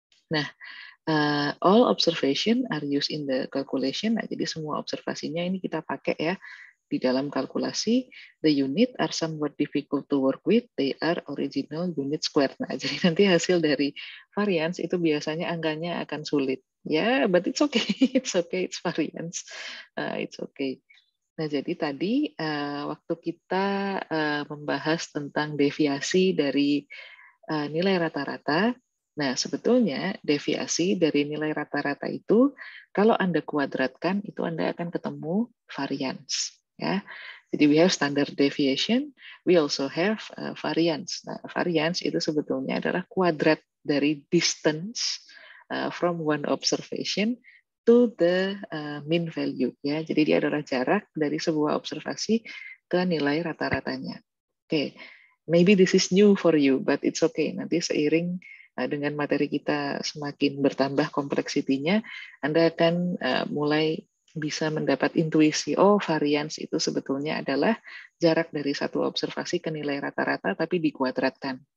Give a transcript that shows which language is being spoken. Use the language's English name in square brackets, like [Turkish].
[English] Nah, all observation are used in the calculation. [Indonesian] Nah, jadi semua observasinya ini kita pakai ya di dalam kalkulasi. [English] The unit are somewhat difficult to work with. They are original unit squared. [Indonesian] Nah, jadi nanti hasil dari variance itu biasanya angkanya akan sulit. [English] Ya, yeah, but it's okay, it's variance. It's okay. [Indonesian] Nah, jadi tadi waktu kita membahas tentang deviasi dari nilai rata-rata, nah sebetulnya deviasi dari nilai rata-rata itu kalau Anda kuadratkan itu Anda akan ketemu variance ya. [English] Jadi we have standard deviation, we also have variance. [Indonesian] Nah, variance itu sebetulnya adalah kuadrat dari [English] distance from one observation to the mean value [Indonesian] ya. Jadi dia adalah jarak dari sebuah observasi ke nilai rata-ratanya. Oke. Okay. [English] Maybe this is new for you, but it's okay. [Indonesian] Nanti seiring dengan materi kita semakin bertambah kompleksitinya, Anda akan mulai bisa mendapat intuisi, oh variance itu sebetulnya adalah jarak dari satu observasi ke nilai rata-rata tapi dikuadratkan.